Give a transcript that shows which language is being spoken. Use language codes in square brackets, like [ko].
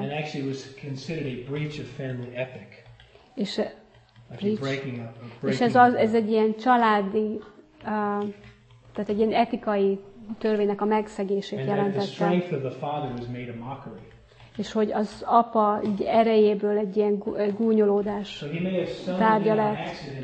[en] And actually it was considered a breach of family epic. [hu] És ez egy ilyen családi, tehát egy ilyen etikai törvénynek a megszegését jelentette. [en] And the strength of the father was made a mockery. [hu] És hogy az apa így erejéből egy ilyen gúnyolódás tárgya lett.